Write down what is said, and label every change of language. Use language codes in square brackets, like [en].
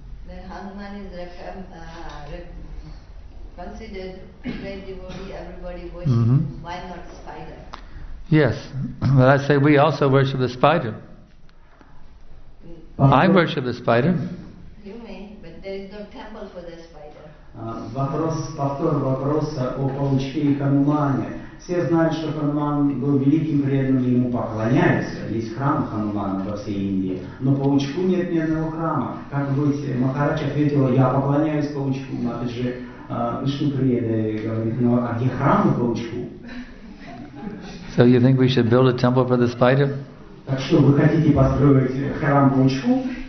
[en] That Hanuman is considered great devotee. Everybody worships. Mm-hmm. Why not spider? Yes, but I say we also worship the spider. I worship the spider. You may, but there is no temple for the spider. [ru] Вопрос повтор вопроса о получении Хануманы. Все знают, что Хануман был великим преданным, ему поклоняются. Есть храм Ханумана во всей Индии. Но паучку нет ни одного храма. Как быть, Махарадж ответил, я поклоняюсь паучку, но это же Вишну преданный. Говорит, ну а где храм на паучку? [en] So you think we should build a temple for the spider? [ru] Так что, вы хотите построить храм паучку?